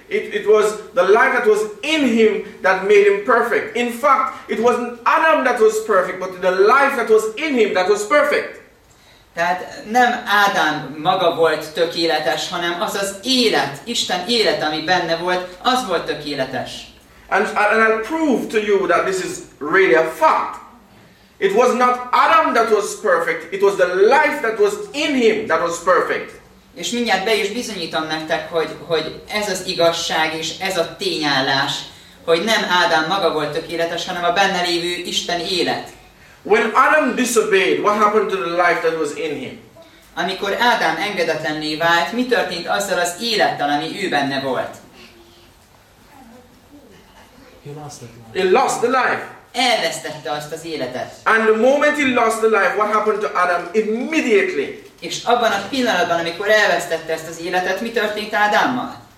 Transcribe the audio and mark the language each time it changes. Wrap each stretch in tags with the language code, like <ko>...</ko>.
<en>It was the life that was in him that made him perfect. In fact, it wasn't Adam that was perfect, but the life that was in him that was perfect.</en> <hu>Tehát nem Ádám maga volt tökéletes, hanem az az élet, Isten élet, ami benne volt, az volt tökéletes.</hu> <en>And I'll prove to you that this is really a fact. It was not Adam that was perfect, it was the life that was in him that was perfect.</en> <hu>És mindjárt be is bizonyítom nektek, hogy ez az igazság és ez a tényállás, hogy nem Ádám maga volt tökéletes, hanem a benne lévő Isten élet.</hu> <en>When Adam disobeyed, what happened to the life that was in him?</en> <hu>Amikor Ádám engedetlenné vált, mi történt azzal az élettel, ami ő benne volt?</hu> <en>He lost the life.</en> <hu>Elvesztette azt az életet.</hu> <en>And the moment he lost the life, what happened to Adam immediately?</en> <hu>És abban a pillanatban, amikor elvesztette ezt az életet, mi történt Ádámmal?</hu>